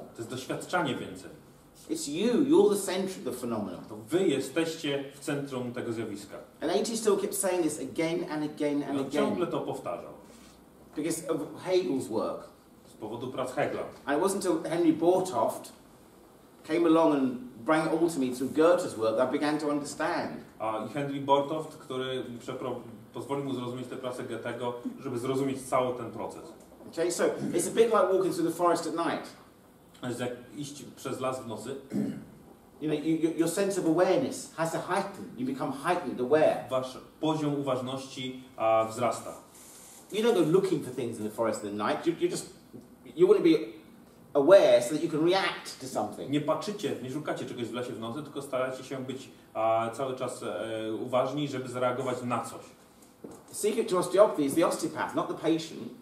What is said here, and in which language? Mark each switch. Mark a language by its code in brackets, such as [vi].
[pl] To jest doświadczanie więcej. [en] It's you. You're the center of the phenomenon. [pl] To wy jesteście w centrum tego zjawiska. [en] And AT still kept saying this again and again and no, again. [pl] Ciągle to powtarzał. [en] Because of Hegel's work. [pl] Z powodu prac Hegla. [en] And it wasn't until Henry Bartholdt came along and brought it all to me through Goethe's work that I began to understand. [pl] A Henry Bartholdt, który pozwolił mu zrozumieć tę pracę Goethego, żeby zrozumieć cały ten proces. [en] Okay, so it's a bit like walking through the forest at night. [pl] Jak iść przez las w nocy. [en] You know, your sense of awareness has to heighten. You become heightened aware. [pl] Wasz poziom uważności wzrasta. [en] You don't go looking for things in the forest at night. You want to be aware so that you can react to something. [pl] Nie patrzycie, nie szukacie czegoś w lesie w nocy, tylko staracie się być cały czas uważni, żeby zareagować na coś. [en] The secret to osteopathy is the osteopath, not the patient.